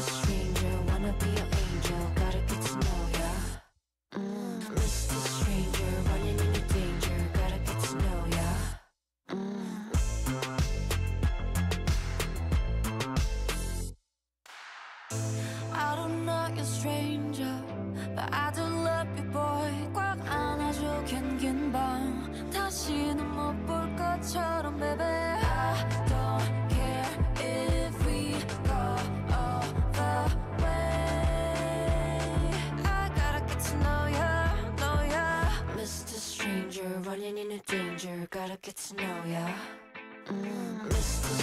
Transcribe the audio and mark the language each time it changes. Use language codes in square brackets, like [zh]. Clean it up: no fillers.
[en] Stranger wanna be an angel, gotta get to know ya. Mr. Stranger running into danger, gotta get to know ya. I don't know you, stranger, but I do love you, boy. [ko] 꽉 안아줘 긴긴 밤 다시는 못 볼 것처럼, baby. [en] I don't care if we go all the way. I gotta get to know ya, know ya. Mr. Stranger, running into danger, gotta get to know ya. Mr.